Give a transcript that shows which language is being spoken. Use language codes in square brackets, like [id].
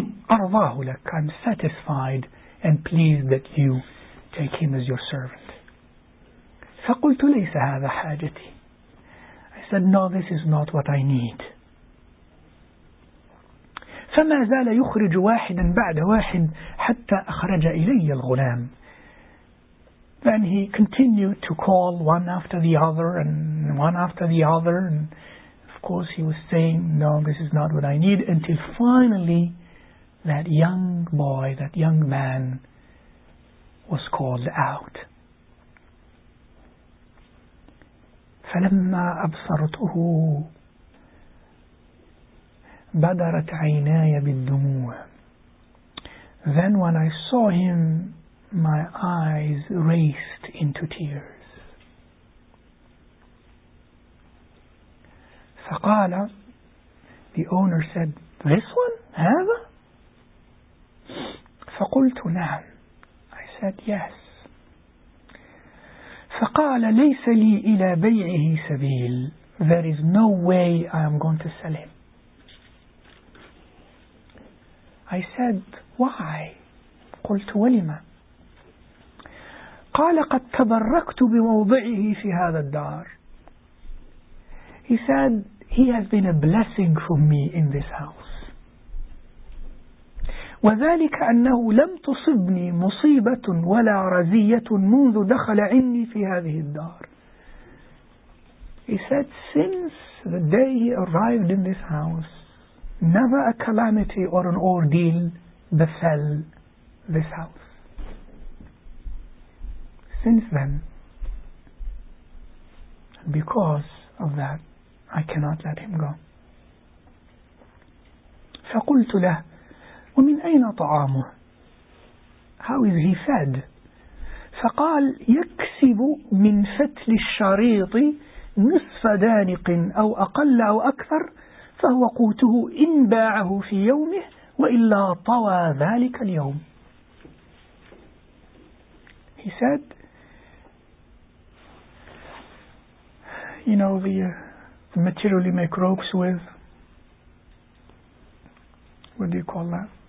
[ar] أرضاه لك. [en] I'm satisfied and pleased that you take him as your servant. [ar] فقلت ليس هذا حاجتي. [en] I said, no, this is not what I need. [ar] فما زال يخرج واحدا بعد واحد حتى أخرج إلي الغلام. [en] Then he continued to call one after the other and one after the other, and of course he was saying, no, this is not what I need, until finally that young boy, that young man, was called out. [ar] فَلَمَّا أَبْصَرْتُهُ بَدَرَتْ عَيْنَايَ بِالدُّمُوعِ. [en] Then when I saw him, my eyes raced into tears. [ar] فَقَالَ. [en] The owner said, this one? [ar] هذا؟ فقلت نعم. [en] I said yes. [ar] فقال ليس لي إلى بيعه سبيل. [en] There is no way I am going to sell him. I said why. [ar] قلت ولما. قال قد تبركت بموضعه في هذا الدار. [en] He said he has been a blessing for me in this house. [ar] وذلك أنه لم تصبني مصيبة ولا رزية منذ دخل عني في هذه الدار. [en] He said, since the day he arrived in this house, never a calamity or an ordeal befell this house. Since then, because of that, I cannot let him go. [ar] فقلت له ومن أين طعامه؟ [en] How is he fed? [ar] فقال يكسب من فتل الشريط نصف دانق أو أقل أو أكثر فهو قوته إن باعه في يومه وإلا طوى ذلك اليوم. [en] He said, you know, the material you make ropes with, what do you call that?